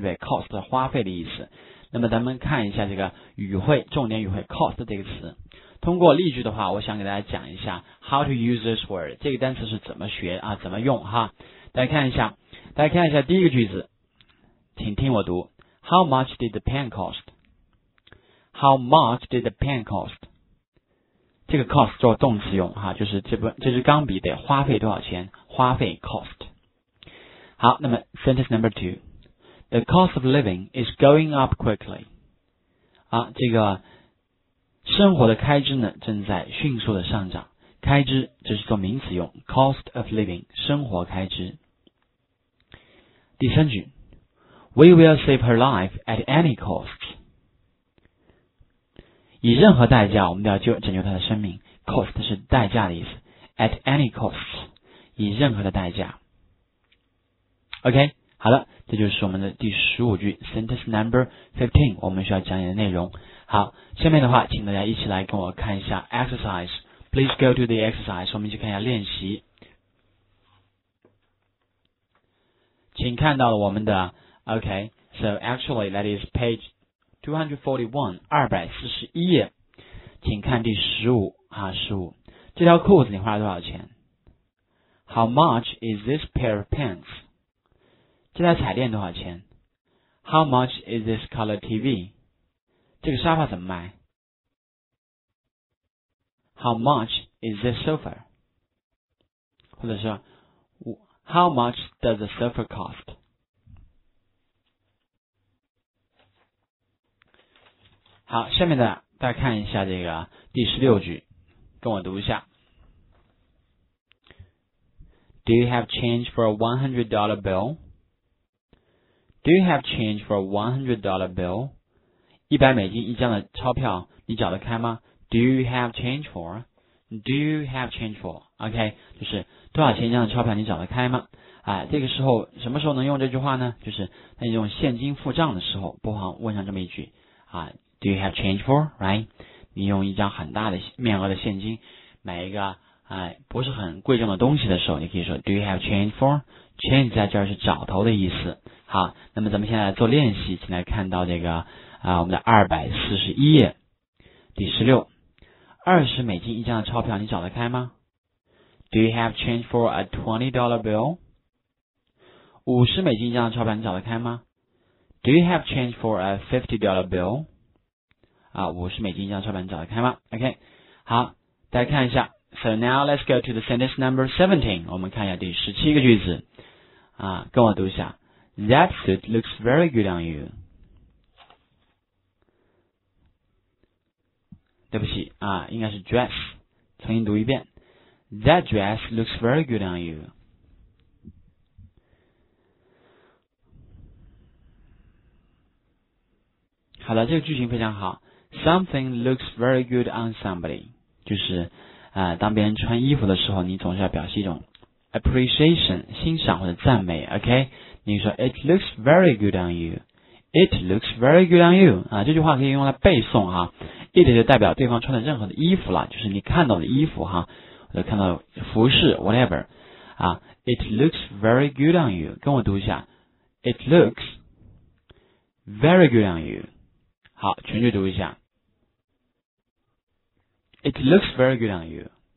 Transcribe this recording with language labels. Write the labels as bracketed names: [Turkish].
[Chinese] 对 ，cost 花费的意思。那么咱们看一下这个语汇，重点语汇 cost 这个词。通过例句的话，我想给大家讲一下 [English] How to use this word [Chinese] 这个单词是怎么学啊，怎么用哈。大家看一下，大家看一下第一个句子，请听我读 ： [English] How much did the pen cost？ How much did the pen cost？ [Chinese] 这个 cost 做动词用哈，就是这支钢笔得花费多少钱？花费 [English] cost。 [Chinese] 好，那么 [English] sentence number two， the cost of living is going up quickly。 [Chinese] 啊，这个生活的开支呢正在迅速的上涨。开支这是做名词用 ，cost of living 生活开支。第三句 [English] ，we will save her life at any cost。 [Chinese] 以任何代价我们都要拯救他的生命， cost 是代价的意思， at any cost， 以任何的代价。 OK， 好了，这就是我们的第15句 [English] sentence number 15， [Chinese] 我们需要讲解的内容。好，下面的话请大家一起来跟我看一下 exercise， [English] please go to the exercise， [Chinese] 我们去看一下练习。请看到了我们的 [English] OK， so actually that is page241, [Chinese] 241页，请看第15，这条裤子你花了多少钱？ [English] How much is this pair of pants? [Chinese] 这台彩电多少钱？ [English] How much is this color TV? [Chinese] 这个沙发怎么卖？ [English] How much is this sofa? 或者是 How much does the sofa cost? [Chinese] 好，下面的大家看一下这个第16句，跟我读一下。 [English] Do you have change for a $100 bill? Do you have change for a $100 bill? [Chinese] 100美金一张的钞票你找得开吗？ [English] Do you have change for? Do you have change for? [Chinese] OK， 就是多少钱一张的钞票你找得开吗？啊，这个时候什么时候能用这句话呢？就是那种现金付账的时候，不妨问上这么一句啊。 [English] Do you have change for? Right? [Chinese] 你用一张很大的面额的现金买一个不是很贵重的东西的时候，你可以说 [English] Do you have change for? [Chinese] Change 在这儿是找头的意思。好，那么咱们现在来做练习，请来看到这个我们的241页第16。 20美金一张的钞票你找得开吗？ [English] Do you have change for a $20 bill? [Chinese] 50美金一张的钞票你找得开吗？ [English] Do you have change for a $50 bill? [Chinese] 50美金一张钞票你找得开吗？OK， 好，大家看一下。 [English] So now let's go to the sentence number 17， [Chinese] 我们看一下第17个句子啊，跟我读一下。 [English] That suit looks very good on you。 [Chinese] 对不起啊，应该是 dress， 重新读一遍。 [English] That dress looks very good on you。 [Chinese] 好的，这个句型非常好。 [English] Something looks very good on somebody， [Chinese] 就是当别人穿衣服的时候，你总是要表示一种 appreciation， 欣赏或者赞美。 [English] OK， [Chinese] 你说 [English] It looks very good on you。 It looks very good on you。 [Chinese] 啊，这句话可以用来背诵哈。It 就代表对方穿的任何的衣服了，就是你看到的衣服哈，或者看到服饰 whatever。 [English] 啊 ，It looks very good on you。 [Chinese] 跟我读一下 [English] ，It looks very good on you。 [Chinese] 好，全句读一下。 [English] It looks very good on you.